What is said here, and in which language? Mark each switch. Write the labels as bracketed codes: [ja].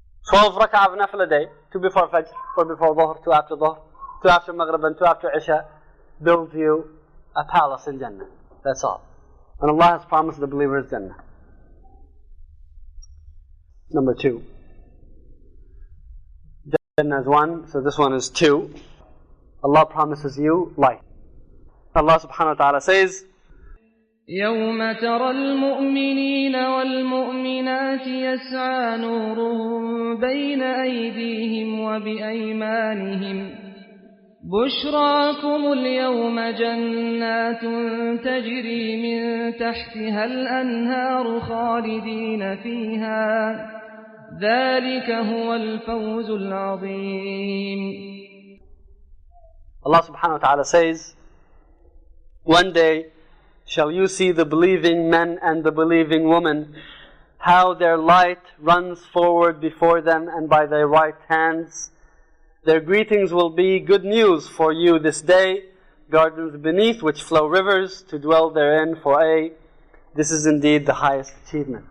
[en] 12 rak'ah of nafil a day, 2 before Fajr, 4 before Dhuhr, 2 after Dhuhr, 2 after Maghrib, and 2 after Isha, build you a palace in Jannah. That's all. And Allah has promised the believers Jannah. Number 2. Jannah is 1, so this one is 2. Allah promises you life. Allah subhanahu wa ta'ala says, [ar] يوم ترى المؤمنين والمؤمنات يسعى نورهم بين أيديهم وبأيمانهم بشراكم اليوم جنات تجري من تحتها الأنهار خالدين فيها ذلك هو الفوز العظيم. [en] Allah subhanahu wa ta'ala says, one day shall you see the believing men and the believing women, how their light runs forward before them and by their right hands. Their greetings will be good news for you this day, gardens beneath which flow rivers to dwell therein, for this is indeed the highest achievement.